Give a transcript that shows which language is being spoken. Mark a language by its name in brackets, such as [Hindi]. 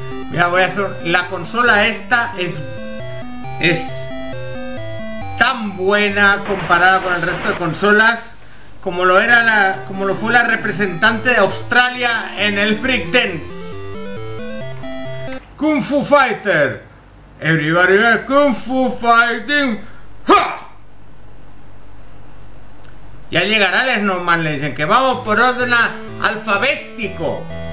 [Spanish] Mira, voy a hacer... La consola esta es... Es... tan buena comparada con el resto de consolas como lo era la, como lo fue la representante de Australia en el Breakdance. [English] Kung Fu Fighter. Everybody is Kung Fu Fighting. ¡Ja! [Spanish] Ya llegará el Snowman Legend, que vamos por orden alfabético.